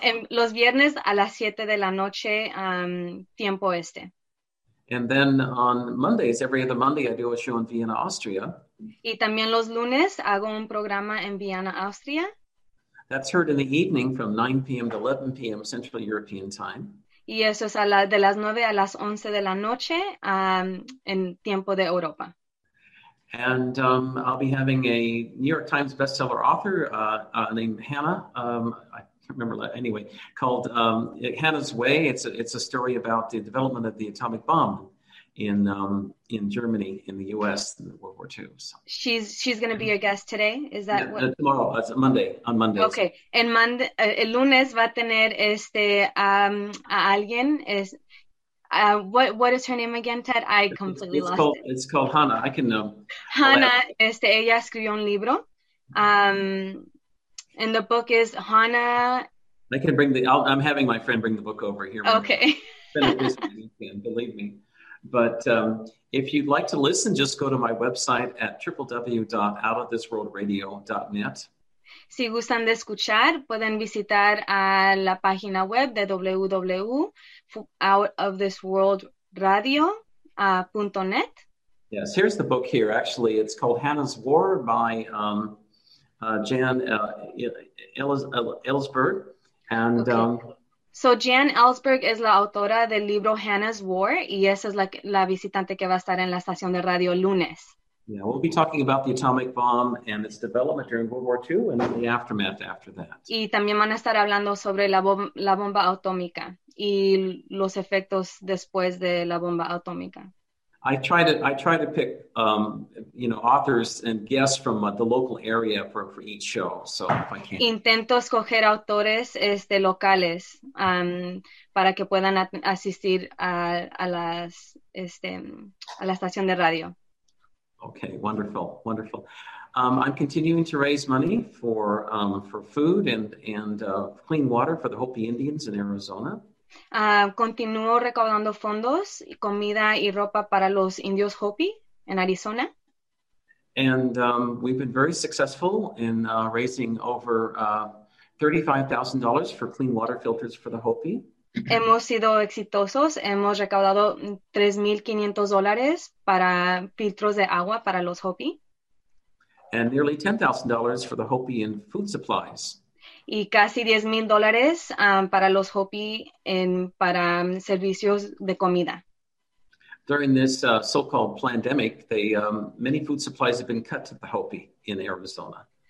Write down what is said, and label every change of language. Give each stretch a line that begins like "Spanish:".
Spanish: Los viernes a las 7 de la noche, tiempo este.
English: And then on Mondays, every other Monday, I do a show in Vienna, Austria.
Spanish: Y también los lunes hago un programa en Vienna, Austria.
English: That's heard in the evening from 9 p.m. to 11 p.m. Central European time.
Spanish: Y eso es de las 9 a las 11 de la noche en tiempo de Europa.
English: And I'll be having a New York Times bestseller author named Hannah. I can't remember. Anyway, called Hannah's Way. It's a story about the development of the atomic bomb in Germany, in the U.S., in World War II. So. She's going to be your guest today? Is that yeah, what? Tomorrow, it's Monday, on Monday.
Spanish: Okay, el lunes va a tener a alguien.
English: What is her name again, Ted? I completely it's lost called, it. It's called Hannah. I can know.
Spanish: Hannah, ella escribió un libro.
English: And the book is Hannah. I can bring I'm having my friend bring the book over here. Okay. Weekend, believe me. But if you'd like to listen, just go to my website at www.outofthisworldradio.net.
Spanish: Si gustan de escuchar, pueden visitar a la página web de www.outofthisworldradio.net.
English: Yes, here's the book here, actually. It's called Hannah's War by Jan Ellsberg. And okay.
Spanish: So Jan Ellsberg es la autora del libro Hannah's War, y esa es la visitante que va a estar en la estación de radio lunes.
English: Yeah, we'll be talking about the atomic bomb and its development during World War II and the aftermath after that.
Spanish: Y también van a estar hablando sobre la bomba atómica y los efectos después de la bomba atómica.
English: I try to pick authors and guests from the local area for each show. So if I can.
Spanish: Intento escoger autores locales para que puedan asistir a la estación de radio.
English: Okay, wonderful. I'm continuing to raise money for food and clean water for the Hopi Indians in Arizona.
Spanish: Continúo recaudando fondos, comida y ropa para los indios Hopi en Arizona.
English: And we've been very successful in raising over $35,000 for clean water filters for the Hopi.
Spanish: Hemos sido exitosos, hemos recaudado $3,500 para filtros de agua para los Hopi.
English: And nearly $10,000 for the Hopi in food supplies.
Spanish: y casi 10 mil dólares para los Hopi para servicios de comida.
English: During this so-called pandemic, many food supplies have been cut to the Hopi in Arizona.